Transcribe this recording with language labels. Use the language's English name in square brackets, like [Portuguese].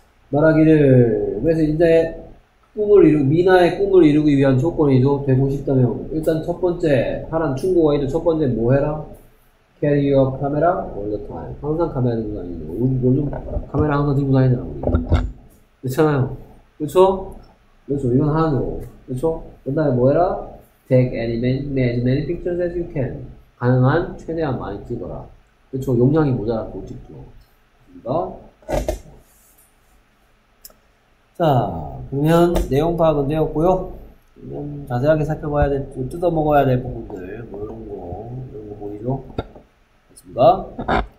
[Korean] 말하기를, 그래서 이제 꿈을 이루, 미나의 꿈을 이루기 위한 조건이죠. 되고 싶다면. 일단 첫 번째, 하란 충고가 있죠. 첫 번째 뭐 해라? [English] Carry your camera all the time. [Korean] 항상 카메라 들고 다니죠. 요즘 카메라 항상 들고 다니더라고요. 그렇잖아요. 그렇죠? 그래서 이건 한우. 그쵸? 그 다음에 뭐 해라? [English] Take any many, as many pictures as you can. [Korean] 가능한 최대한 많이 찍어라. 그쵸? 용량이 모자라고 찍죠. 됩니다. 자, 그러면 내용 파악은 되었고요. 자세하게 살펴봐야 될, 뜯어먹어야 될 부분들, 뭐 이런 거 보이죠? 됐습니다.